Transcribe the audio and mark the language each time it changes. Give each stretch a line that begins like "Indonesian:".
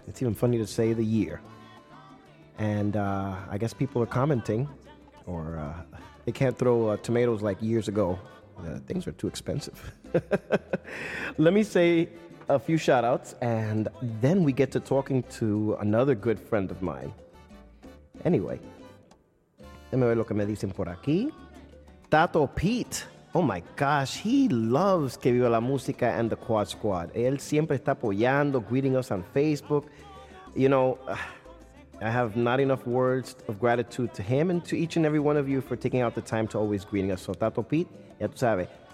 English: It's even funny to say the year. And I guess people are commenting, or they can't throw tomatoes like years ago. Things are too expensive. Let me say a few shout outs, and then we get to talking to another good friend of mine. Anyway. Let me
Spanish: ver lo que me dicen por aquí. Tato Pete.
English: Oh, my gosh. He loves Que Viva la Música and the Quad Squad.
Spanish: Él siempre está apoyando,
English: greeting us on Facebook. You know, I have not enough words of gratitude to him and to each and every one of you for taking out the time to always greeting us. So, Tato Pete,
Spanish: ya tú sabes.